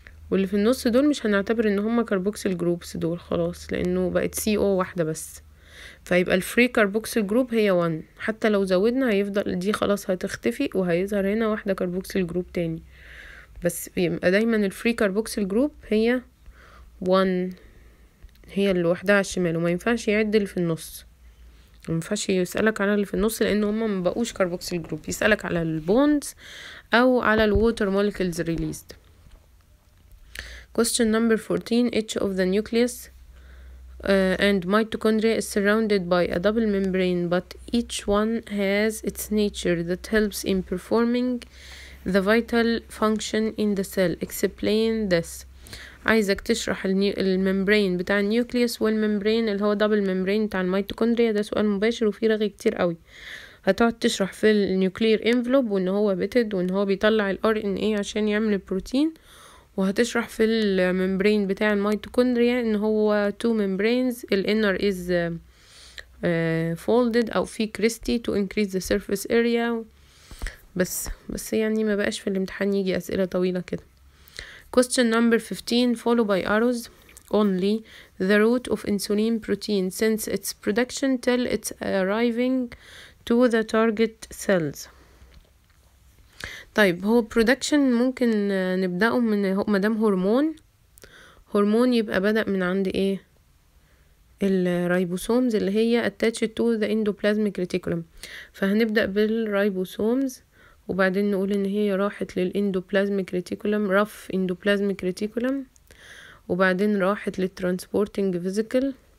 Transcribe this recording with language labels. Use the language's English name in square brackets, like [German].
[Arabic] واللي في النص دول مش هنعتبر ان هما كربوكسيل جروبس دول خلاص، لانه بقت سي او واحدة بس، فيبقى الفري كربوكسيل جروب هي 1، حتى لو زودنا هيفضل دي خلاص هتختفي وهيظهر هنا واحدة كربوكسيل جروب تاني، بس يبقى دايما الفري كاربوكسيل جروب هي 1، هي اللي لوحدها على الشمال، وما ينفعش يعد اللي في النص، ما ينفعش يسالك على اللي في النص لان هما ما بقوش كاربوكسيل جروب، يسالك على البوندز او على الووتر مولكيولز ريليزد. [English] question number 14، each of the nucleus and mitochondria is surrounded by a double membrane but each one has its nature that helps in performing the vital function in the cell، explain this. [Arabic] عايزك تشرح الممبرين بتاع النيوكليوس والممبرين اللي هو دبل ممبرين بتاع الميتوكوندريا. ده سؤال مباشر وفي رغي كتير قوي. هتقعد تشرح في النيوكلير انفلوب وان هو بيتد وان هو بيطلع الار ان اي عشان يعمل البروتين، وهتشرح في الممبرين بتاع الميتوكوندريا ان هو تو ممبرينز، [English] الانر is folded او في cristae to increase the surface area, [Arabic] بس يعني ما بقاش في الامتحان يجي اسئله طويله كده. [English] question number 15، follow by arrows only the route of insulin protein since its production till its arriving to the target cells. [Arabic] طيب هو production ممكن نبداه من ما دام هرمون يبقى بدا من عند ايه؟ الرايبوسومز اللي هي [English] attached to the endoplasmic reticulum، [Arabic] فهنبدا بالرايبوسومز وبعدين نقول ان هي راحت للاندوبلازميك ريتيكولم، رف اندوبلازميك ريتيكولم، وبعدين راحت للترانسبورتنج فيزيكل،